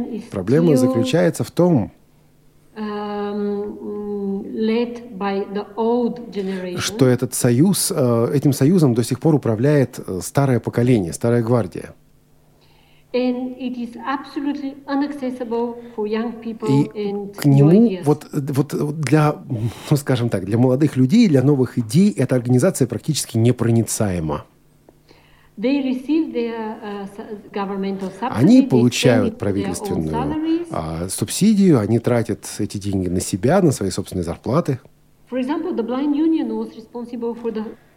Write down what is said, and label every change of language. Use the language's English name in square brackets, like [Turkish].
[Russian] Проблема заключается в том, что этот союз, этим союзом до сих пор управляет старое поколение, старая гвардия. [English] And it is absolutely inaccessible for young people. [Russian] И к нему, вот для, ну, скажем так, для молодых людей, для новых идей эта организация практически непроницаема. [English] They receive their governmental subsidy. [Russian] Они получают правительственную субсидию, они тратят эти деньги на себя, на свои собственные зарплаты. [English] For example, the blind union was responsible for the...